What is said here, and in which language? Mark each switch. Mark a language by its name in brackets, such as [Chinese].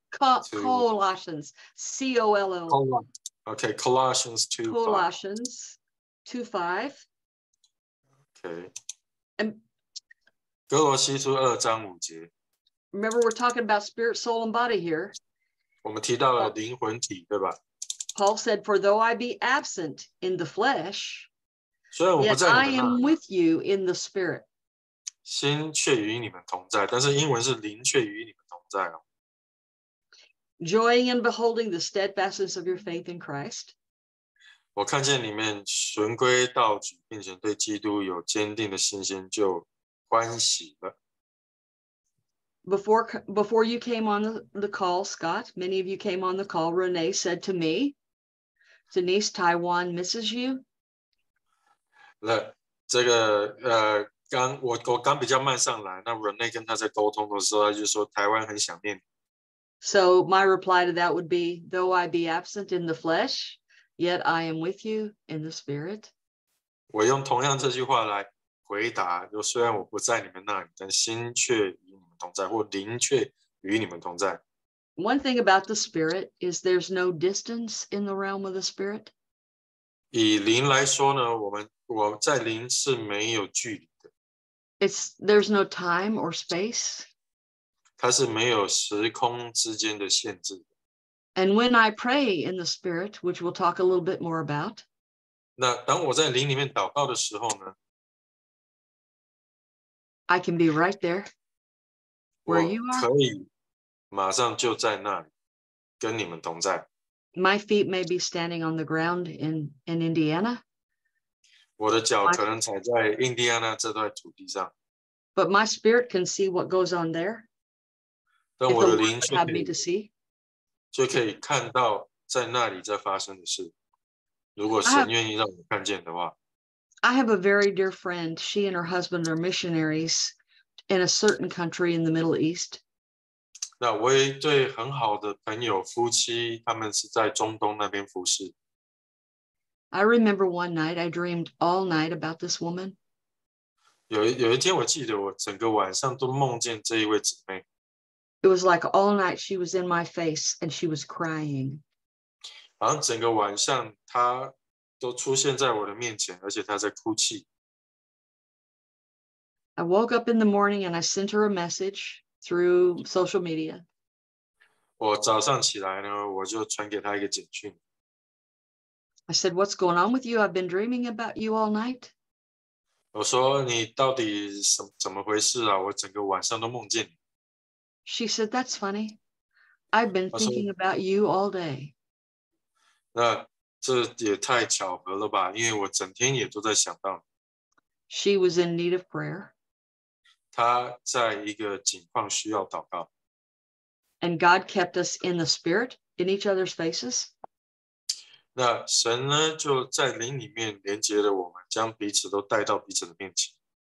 [English] Colossians, C-O-L-O. Okay, Colossians 2:5. Colossians 2:5. Okay. And remember, we're talking about spirit, soul, and body here. [Chinese] 我们提到了灵魂体，对吧？ [English] Paul said, for though I be absent in the flesh, [Chinese] 虽然我不在你的那里, [English] yet I am with you in the spirit. [Chinese] 心却与你们同在，但是英文是灵却与你们同在哦。 [English] Joying and beholding the steadfastness of your faith in Christ. [Chinese] 我看见你们循规蹈矩，并且对基督有坚定的信心，就欢喜了。 [English] Before you came on the call, Scott, many of you came on the call. Renee said to me, Denise, Taiwan misses you. [Chinese] 刚比较慢上来，那 Renee 跟他在沟通的时候，他就说台湾很想念。 [English] So my reply to that would be, though I be absent in the flesh, yet I am with you in the spirit. [Chinese] 我用同样这句话来回答，就虽然我不在你们那里，但心却与你们同在，或灵却与你们同在。 [English] One thing about the spirit is there's no distance in the realm of the spirit. [Chinese] 以灵来说呢，我在灵是没有距离的。 [English] There's no time or space. [Chinese] 它是没有时空之间的限制的。 [English] And when I pray in the spirit, which we'll talk a little bit more about. [Chinese] 那当我在灵里面祷告的时候呢？ [English] I can be right there where you are. [Chinese] 我可以马上就在那里跟你们同在。 [English] My feet may be standing on the ground in Indiana. [Chinese] 我的脚可能踩在印第安纳这块土地上。 [English] But my spirit can see what goes on there. [Chinese] 但我的灵却 [English] have me to see. [Chinese] 就可以看到在那里在发生的事。如果神愿意让我看见的话。 [English] I have a very dear friend. She and her husband are missionaries in a certain country in the Middle East. [Chinese] 那我一对很好的朋友夫妻，他们是在中东那边服事。 [English] I remember one night I dreamed all night about this woman. [Chinese] 有一天我记得我整个晚上都梦见这一位姊妹。 [English] It was like all night she was in my face and she was crying. [Chinese] 好像整个晚上她都出现在我的面前，而且他在哭泣。 [English] I woke up in the morning and I sent her a message through social media. [Chinese] 我早上起来呢，我就传给他一个简讯。 [English] I said, "What's going on with you? I've been dreaming about you all night." [Chinese] 我说你到底怎么回事啊？我整个晚上都梦见你。 [English] She said, "That's funny. I've been thinking about you all day." [Chinese] 那这也太巧合了吧, 因为我整天也都在想到你。 [English] She was in need of prayer. [Chinese] 她在一个情况需要祷告。 [English] And God kept us in the spirit, in each other's faces. [Chinese] 那神呢, 就在灵里面连接了我们, 将彼此都带到彼此的面前。